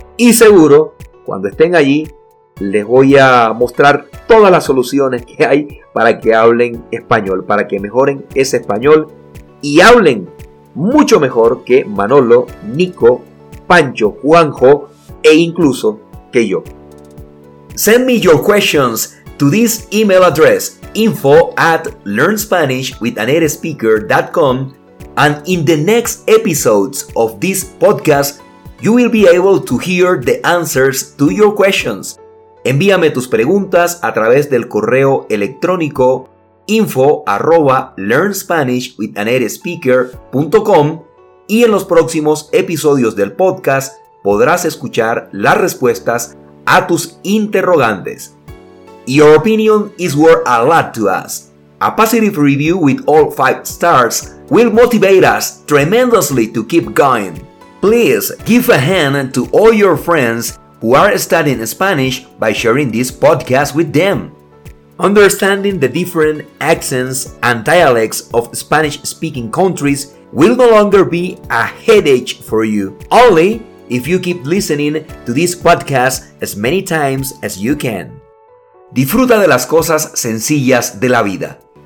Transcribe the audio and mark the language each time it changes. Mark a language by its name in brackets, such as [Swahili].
[Spanish] Y seguro, cuando estén allí, les voy a mostrar todas las soluciones que hay para que hablen español, para que mejoren ese español y hablen mucho mejor que Manolo, Nico, Pancho, Juanjo e incluso que yo. [English] Send me your questions to this email address, info@learnspanishwithanetispeaker.com, and in the next episodes of this podcast, you will be able to hear the answers to your questions. [Spanish] Envíame tus preguntas a través del correo electrónico info@learnspanishwithanetispeaker.com y en los próximos episodios del podcast podrás escuchar las respuestas a tus interrogantes. [English] Your opinion is worth a lot to us. A positive review with all 5 stars will motivate us tremendously to keep going. Please give a hand to all your friends who are studying Spanish by sharing this podcast with them. Understanding the different accents and dialects of Spanish-speaking countries will no longer be a headache for you, only if you keep listening to this podcast as many times as you can. [Spanish] Disfruta de las cosas sencillas de la vida.